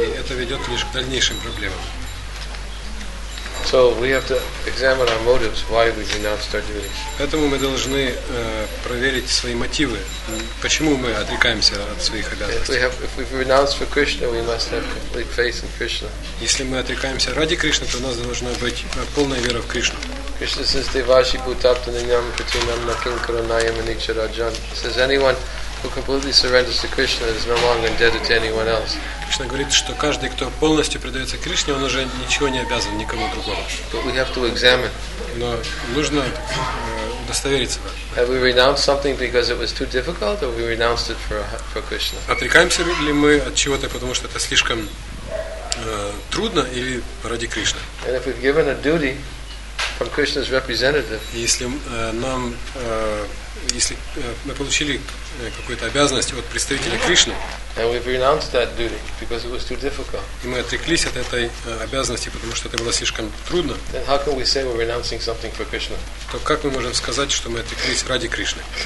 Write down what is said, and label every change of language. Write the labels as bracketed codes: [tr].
[ru] И это ведет лишь к дальнейшим проблемам. [en] So we have to examine our motives why we renounced our duties. [ru] Поэтому мы должны проверить свои мотивы, почему мы отрекаемся от своих обязанностей. [en] If we've renounced for Krishna, we must have complete faith in Krishna. [ru] Если мы отрекаемся ради Кришны, то у нас должна быть полная вера в Кришну. [en] Krishna says, [sa] "Devashi bhutaptaninam pratinam nakinkaranayam anicharajan." [en] He says, "Anyone who completely surrenders to Krishna is no longer indebted to anyone else." [ru] Кришна говорит, что каждый, кто полностью предается Кришне, он уже ничего не обязан никому другому. [en] But we have to examine. [ru] Но нужно удостовериться. [en] Have we renounced something because it was too difficult, or we renounced it for Krishna? [ru] Отрекаемся ли мы от чего-то, потому что это слишком трудно, или ради Кришны? [en] And if we've given a duty from Krishna's representative. [ru] Если нам если мы получили какую-то обязанность от представителя Кришны, [en] and we've renounced that duty because it was too difficult. [ru] И мы отреклись от этой обязанности, потому что это было слишком трудно. [en] Then how can we say we're renouncing something for Krishna? [ru] То как мы можем сказать, что мы отреклись ради Кришны?